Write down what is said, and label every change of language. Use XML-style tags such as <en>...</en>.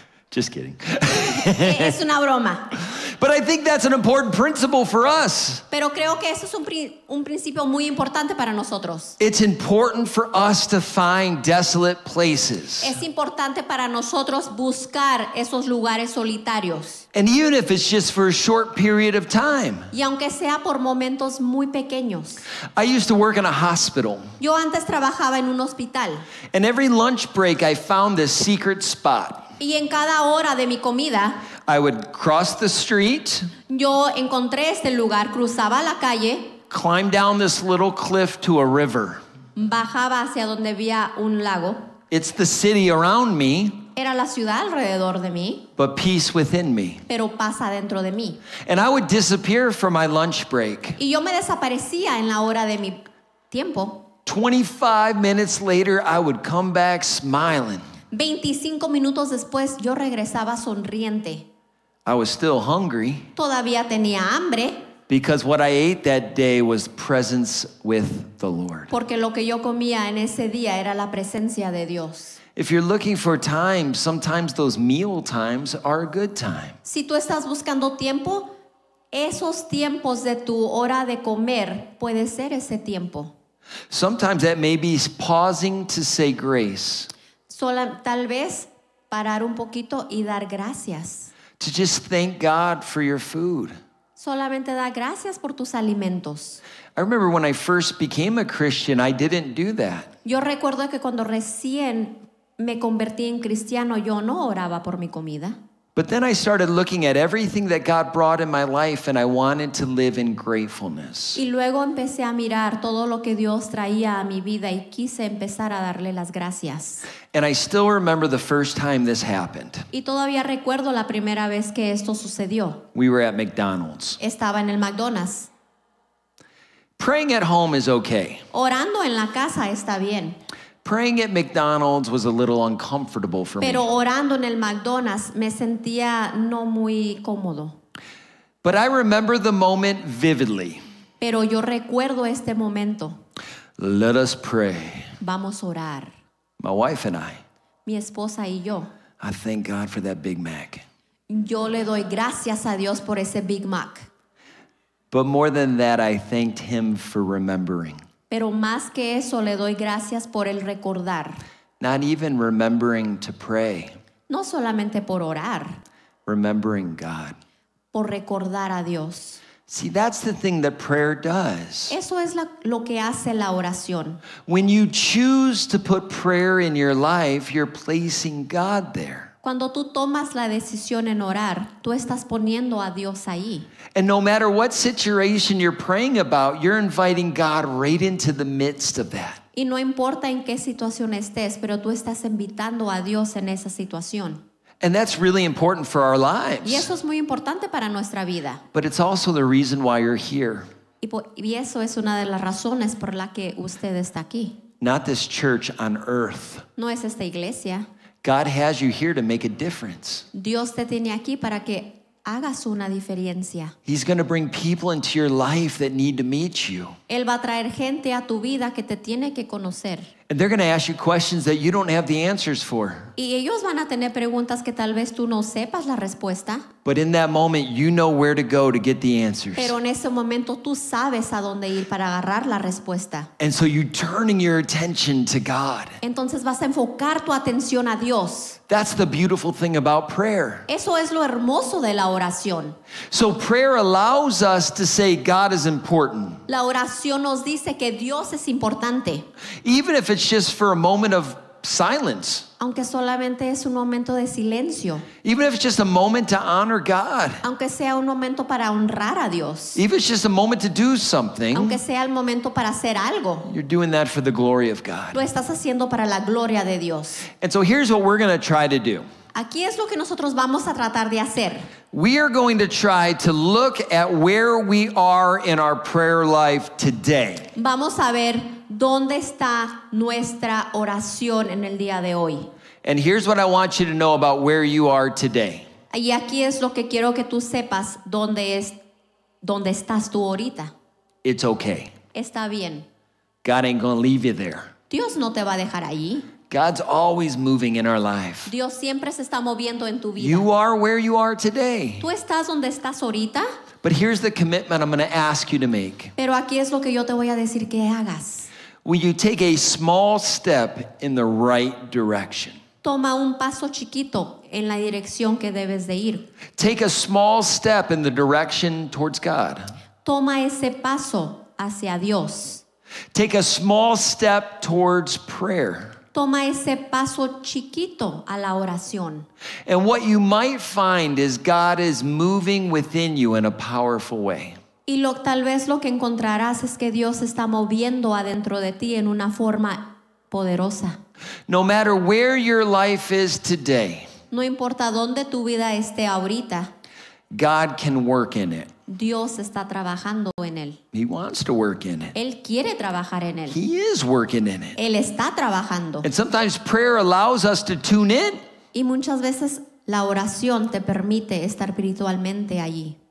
<en>Just kidding.</en> <es>Es una broma.</es> <en>But I think that's an important principle for us.</en> <es>Pero creo que eso es un principio muy importante para nosotros.</es> <en>It's important for us to find desolate places.</en> <es>Es importante para nosotros buscar esos lugares solitarios.</es> <en>And even if it's just for a short period of time.</en> <es>Y aunque sea por momentos muy pequeños.</es> <en>I used to work in a hospital.</en> <es>Yo antes trabajaba en un hospital.</es> <en>And every lunch break I found this secret spot.</en> <es>Y en cada hora de mi comida,</es> <en>I would cross the street,</en> <es>yo encontré este lugar, cruzaba la calle,</es> <en>climb down this little cliff to a river,</en> <es>bajaba hacia donde había un lago,</es> <en>It's the city around me.</en> <es>Era la ciudad alrededor de mí.</es> <en>But peace within me.</en> <es>Pero paz adentro de mí.</es> <en>And I would disappear for my lunch break.</en> <es>Y yo me desaparecía en la hora de mi tiempo.</es> <en>25 minutes later, I would come back smiling.</en> <es>25 minutos después, yo regresaba sonriente.</es> <en>I was still hungry.</en> <es>Todavía tenía hambre.</es> <en>Because what I ate that day was presence with the Lord.</en> <es>Porque lo que yo comía en ese día era la presencia de Dios.</es> <en>If you're looking for time, sometimes those meal times are a good time.</en> <es>Si tú estás buscando tiempo, esos tiempos de tu hora de comer puede ser ese tiempo.</es> <en>Sometimes that may be pausing to say grace.</en> <es>Solo, tal vez parar un poquito y dar gracias.</es> <en>To just thank God for your food.</en> <es>Solamente da gracias por tus alimentos.</es> <en>I remember when I first became a Christian, I didn't do that.</en> <es>Yo recuerdo que cuando recién me convertí en cristiano, yo no oraba por mi comida.</es> <en>But then I started looking at everything that God brought in my life and I wanted to live in gratefulness.</en> <es>Y luego empecé a mirar todo lo que Dios traía a mi vida y quise empezar a darle las gracias.</es> <en>And I still remember the first time this happened.</en> <es>Y todavía recuerdo la primera vez que esto sucedió.</es> <en>We were at McDonald's.</en> <es>Estaba en el McDonald's.</es> <en>Praying at home is okay.</en> <es>Orando en la casa está bien.</es> <en>Praying at McDonald's was a little uncomfortable for me.</en> <es>Pero orando en el McDonald's me sentía no muy cómodo.</es> <en>But I remember the moment vividly.</en> <es>Pero yo recuerdo este momento.</es> <en>Let us pray.</en> <es>Vamos a orar.</es> <en>My wife and I.</en> <es>Mi esposa y yo.</es> <en>I thank God for that Big Mac.</en> <es>Yo le doy gracias a Dios por ese Big Mac.</es> <en>But more than that, I thanked him for remembering.</en> <es>Pero más que eso, le doy gracias por el recordar.</es> <en>Not even remembering to pray.</en> <es>No solamente por orar.</es> <en>Remembering God.</en> <es>Por recordar a Dios.</es> <en>See, that's the thing that prayer does.</en> <es>Eso es lo que hace la oración.</es> <en>When you choose to put prayer in your life, you're placing God there.</en> <es>Cuando tú tomas la decisión en orar, tú estás poniendo a Dios ahí.</es> <en>And no matter what situation you're praying about, you're inviting God right into the midst of that.</en> <es>Y no importa en qué situación estés, pero tú estás invitando a Dios en esa situación.</es> <en>And that's really important for our lives.</en> <es>Y eso es muy importante para nuestra vida.</es> <en>But it's also the reason why you're here.</en> <es>Y eso es una de las razones por la que usted está aquí.</es> <en>Not this church on earth.</en> <es>No es esta iglesia.</es> <en>God has you here to make a difference.</en> <es>Dios te tiene aquí para que hagas una diferencia.</es> <en>He's going to bring people into your life that need to meet you.</en> <es>Él va a traer gente a tu vida que te tiene que conocer.</es> <en>And they're going to ask you questions that you don't have the answers for.</en> <es>Y ellos van a tener preguntas que tal vez tú no sepas la respuesta.</es> <en>But in that moment, you know where to go to get the answers.</en> <es>Pero en ese momento tú sabes a dónde ir para agarrar la respuesta.</es> <en>And so you're turning your attention to God.</en> <es>Entonces vas a enfocar tu atención a Dios.</es> <en>That's the beautiful thing about prayer.</en> <es>Eso es lo hermoso de la oración.</es> <en>So prayer allows us to say God is important.</en> <es>La oración nos dice que Dios es importante.</es> <en>Even if it's just for a moment of silence.</en> <es>Aunque solamente es un momento de silencio.</es> <en>Even if it's just a moment to honor God.</en> <es>Aunque sea un momento para honrar a Dios.</es> <en>Even if it's just a moment to do something.</en> <es>Aunque sea el momento para hacer algo.</es> <en>You're doing that for the glory of God.</en> <es>Lo estás haciendo para la gloria de Dios.</es> <en>And so here's what we're going to try to do.</en> <es>Aquí es lo que nosotros vamos a tratar de hacer.</es> <en>We are going to try to look at where we are in our prayer life today.</en> <es>Vamos a ver dónde está nuestra oración en el día de hoy.</es> <en>And here's what I want you to know about where you are today.</en> <es>Y aquí es lo que quiero que tú sepas dónde estás tú ahorita.</es> <en>It's okay.</en> <es>Está bien.</es> <en>God ain't gonna leave you there.</en> <es>Dios no te va a dejar allí.</es> <en>God's always moving in our life.</en> <es>Dios siempre se está moviendo en tu vida.</es> <en>You are where you are today.</en> <es>Tú estás donde estás ahorita.</es> <en>But here's the commitment I'm going to ask you to make.</en> <es>Pero aquí es lo que yo te voy a decir que hagas.</es> <en>Will you take a small step in the right direction?</en> <es>Toma un paso chiquito en la dirección que debes de ir.</es> <en>Take a small step in the direction towards God.</en> <es>Toma ese paso hacia Dios.</es> <en>Take a small step towards prayer.</en> <es>Toma ese paso chiquito a la oración.</es> <en>And what you might find is God is moving within you in a powerful way.</en> <es>Y tal vez lo que encontrarás es que Dios está moviendo adentro de ti en una forma poderosa.</es> <en>No matter where your life is today,</en> <es>no importa dónde tu vida esté ahorita,</es> <en>God can work in it.</en> <es>Dios está trabajando en él.</es> <en>He wants to work in it.</en> <es>Él quiere trabajar en él.</es> <en>He is working in it.</en> <es>Él está trabajando.</es> <en>And sometimes prayer allows us to tune in.</en> <es>Y muchas veces la oración te permite estar espiritualmente allí.</es>